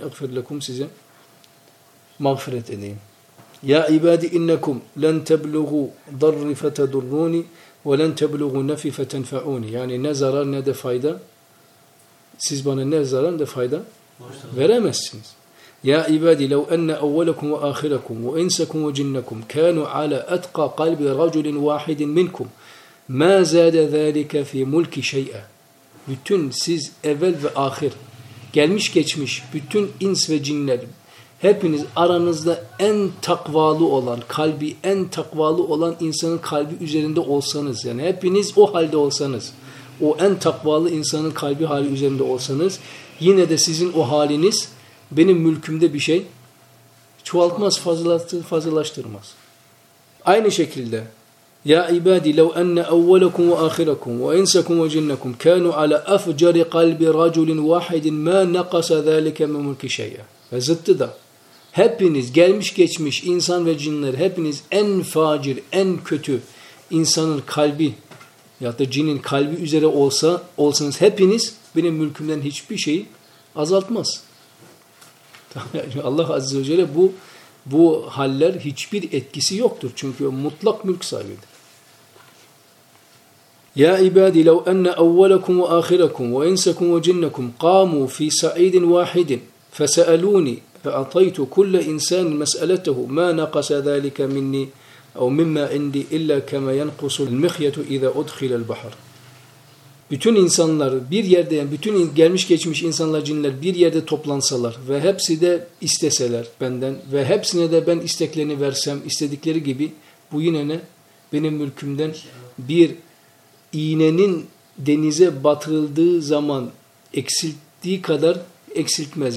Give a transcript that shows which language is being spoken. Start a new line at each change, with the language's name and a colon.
Arabic: اَغْفِرْ لَكُمْ
Turkish: size mağfiret edeyim.
Arabic: يَا اِبَادِ اِنَّكُمْ لَنْ تَبْلُغُوا ضَرِّ فَتَدُرُّونِ وَلَنْ تَبْلُغُوا نَفِي فَتَنْفَعُونِ.
Turkish: Yani ne zarar ne de fayda. Siz bana ne zarar ne fayda veremezsiniz.
Arabic: Ya ibadi لو أن أولكم وآخركم وإنسكم وجنكم كانوا على أتقى قلب رجل واحد منكم مَا زَادَ ذَٰلِكَ فِي مُلْكِ شَيْئًا.
Turkish: Bütün siz evvel ve ahir, gelmiş geçmiş bütün ins ve cinler, hepiniz aranızda en takvalı olan, kalbi en takvalı olan insanın kalbi üzerinde olsanız, yani hepiniz o halde olsanız, o en takvalı insanın kalbi hali üzerinde olsanız, yine de sizin o haliniz benim mülkümde bir şey çoğaltmaz, fazlalaştırmaz. Aynı şekilde
Arabic: ya ibadi لو ان اولكم واخركم وانسكم وجنكم كانوا على افجر قلب رجل واحد ما نقص ذلك من ملك شيء.
Turkish: Zıttı da. Hepiniz gelmiş geçmiş insan ve cinler, hepiniz en facir, en kötü insanın kalbi ya da cinin kalbi üzere olsanız, hepiniz benim mülkümden hiçbir şeyi azaltmaz. Allah Azze ve Celle bu haller hiçbir etkisi yoktur. Çünkü mutlak mülk sahibidir.
Arabic: Ya ibadi لو ان اولكم واخركم وانسكم وجنكم قاموا في صعيد واحد فسالوني فاعطيت كل انسان مسالته ما نقص ذلك مني او مما عندي الا كما ينقص المخيط اذا ادخل البحر.
Turkish: Bütün insanlar bir yerde, yani bütün gelmiş geçmiş insanlar, cinler bir yerde toplansalar ve hepsi de isteseler benden ve hepsine de ben isteklerini versem istedikleri gibi, bu yine ne? Benim mülkümden bir iğnenin denize batırıldığı zaman eksilttiği kadar eksiltmez.